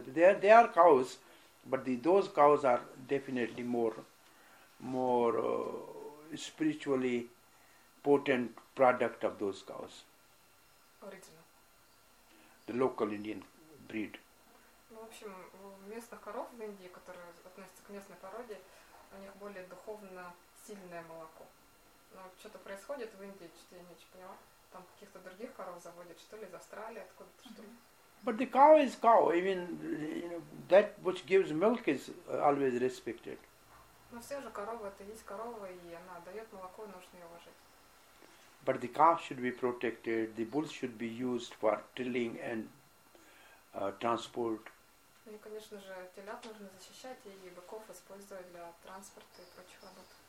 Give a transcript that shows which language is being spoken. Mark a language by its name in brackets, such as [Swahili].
[English] They are cows, but those cows are definitely more spiritually potent product of those cows. Original. The local Indian breed. [Russian] Ну, в общем, у местных коров в Индии, которые относятся к местной породе, у них более духовно сильное молоко. Но что-то происходит в Индии, что-то я ничего не понимаю. Там каких-то других коров заводят, что ли, из Австралии, откуда-то, что ли. [English] But the cow is cow. Even you know, that which gives milk is always respected. [Russian] Но все же корова, это есть корова, и она дает молоко, нужно ее уважать. [English] But the calf should be protected, the bull should be used for tilling and transport. [Russian] Ну и, конечно же, телят нужно защищать, и быков использовать для транспорта и прочих работ.